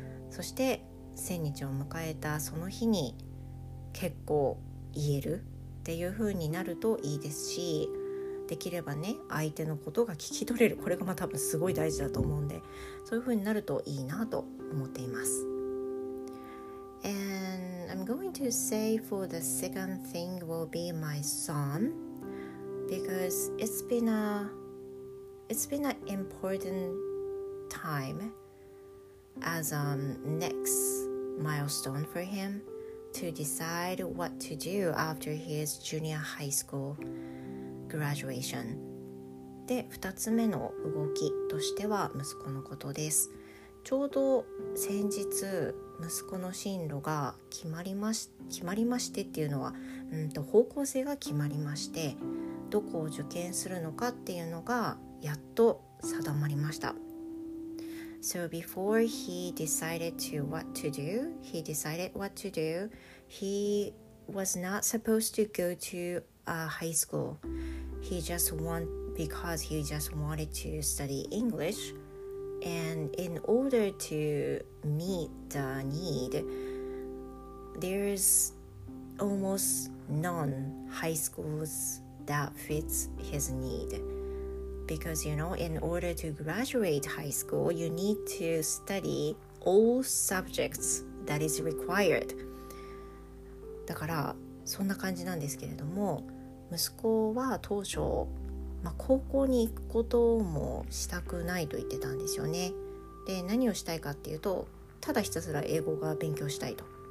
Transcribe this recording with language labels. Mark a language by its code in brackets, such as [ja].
[ja] そして1000日を迎えたその日に結構言えるっていう風になるといいですし、できればね相手のことが聞き取れる、これがまあ多分すごい大事だと思うんで、そういう風になるといいなと思っています。 [en] And I'm going to say for the second thing will be my son, because it's been an important time as a next milestone for him to decide what to do after his junior high school graduation. [ja] で、2つ目の動きとしては息子のことです。ちょうど先日息子の進路が決まりましてっていうのは、方向性が決まりまして、どこを受験するのかっていうのがやっと定まりました。 [en] So before he decided to what to do, he decided what to do. He was not supposed to go to a high school. He just want because he just wanted to study English. And in order to meet the need, there's almost none high schools that fits his need. Because, you know, in order to graduate high school, you need to study all subjects that is required. [ja] だからそんな感じなんですけれども、息子は当初まあ、高校に行くこともしたくないと言ってたんですよね。で、何をしたいかっていうと、ただひたすら英語が勉強したいと。